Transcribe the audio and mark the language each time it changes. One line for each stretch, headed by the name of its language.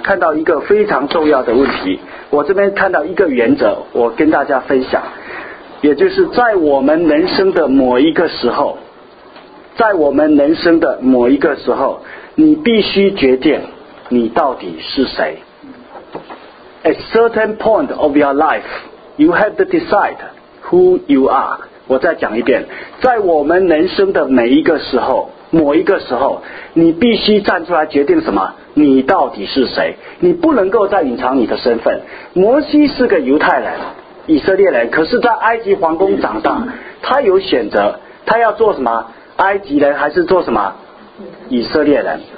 Chinese: 看到一个非常重要的问题。我这边看到一个原则，我跟大家分享，也就是在我们人生的某一个时候，在我们人生的某一个时候，你必须决定你到底是谁。
English: A certain point of your life you have to decide who you are。
Chinese: 我再讲一遍，在我们人生的每一个时候，某一个时候，你必须站出来决定什么，你到底是谁。你不能够再隐藏你的身份。摩西是个犹太人，以色列人，可是在埃及皇宫长大，他有选择，他要做什么埃及人还是做什么以色列人。